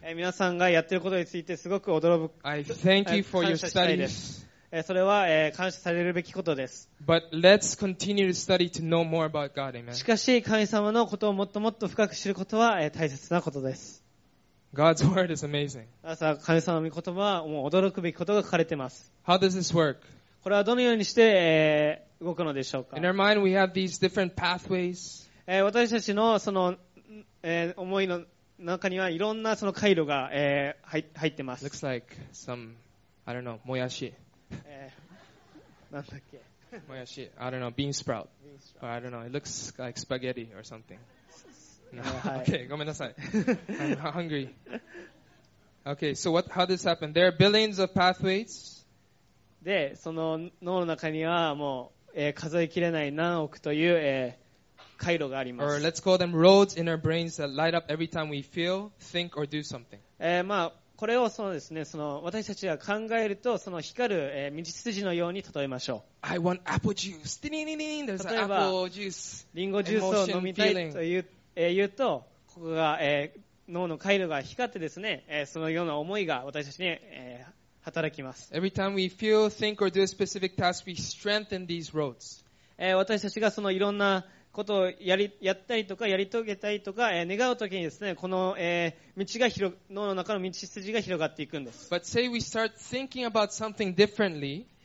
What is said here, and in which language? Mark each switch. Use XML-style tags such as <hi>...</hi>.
<ja>皆さんがやってることについてすごく驚く。</ja> <en>I thank you for your studies.</en> <ja>それは感謝されるべきことです。</ja> <en>But let's continue to study to know more about God, amen.</en> <ja>しかし、神様のことをもっともっと深く知ることは大切なことです。</ja> <en>God's word is amazing.</en> <ja>神様の御言葉はもう驚くべきことが書かれています。</ja> <en>How does this work?</en> <ja>これはどのようにして動くのでしょうか?</ja> <en>In our mind, we have these different pathways.</en> <ja>私たちのその思いの中にはいろんなその回路が入ってます。</ja> <en>Looks like some, I don't know, もやし。</en> <ja>なんだっけ。</ja> <en>もやし。I don't know. Bean sprout. Or I don't know. It looks like spaghetti or something. No. はい、 okay.</en> <ja>ごめんなさい。</ja> <en>I'm hungry. Okay. So what? How this happened? There are billions of pathways.</en> <ja>で、その脳の中にはもう、数えきれない何億という、回路があります。</ja> <en>Or let's call them roads in our brains that light up every time we feel, think, or do something. まあ。</en> <ja>これをそのですね、その私たちが考えるとその光る道筋のように例えましょう。</ja> <en>I want apple juice. ディニニニン、There's apple juice.</en> <ja>リンゴジュースを飲みたいという言うと、ここが脳の回路が光ってですね、そのような思いが私たちに働きます。</ja> <en>Every time we feel, think, or do a specific task, we strengthen these roads.</en> <ja>私たちがそのいろんなことをやったりとかやり遂げたりとか願うときにですね、この道が脳の中の道筋が広がっていくんです。</ja> <en>But say we start thinking about something differently.</en>